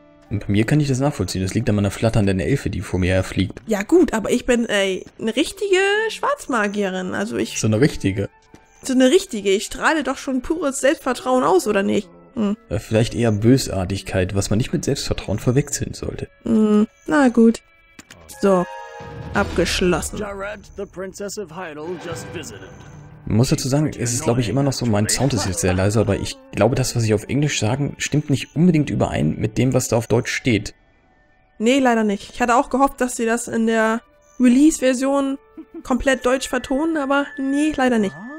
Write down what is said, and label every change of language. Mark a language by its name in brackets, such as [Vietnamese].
[German] Bei mir kann ich das nachvollziehen. Das liegt an meiner flatternden Elfe, die vor mir herfliegt. Ja gut, aber ich bin eine richtige Schwarzmagierin. Also ich... So eine richtige? So eine richtige. Ich strahle doch schon pures Selbstvertrauen aus, oder nicht? Vielleicht eher Bösartigkeit, was man nicht mit Selbstvertrauen verwechseln sollte. Na gut. So. Abgeschlossen. [English] Jared, the Princess of Heidel, just visited. [German] Man muss dazu sagen, es ist, glaube ich, immer noch so, mein Sound ist jetzt sehr leise, aber ich glaube, das, was ich auf Englisch sagen, stimmt nicht unbedingt überein mit dem, was da auf Deutsch steht. Nee, leider nicht. Ich hatte auch gehofft, dass sie das in der Release-Version komplett deutsch vertonen, aber nee, leider nicht.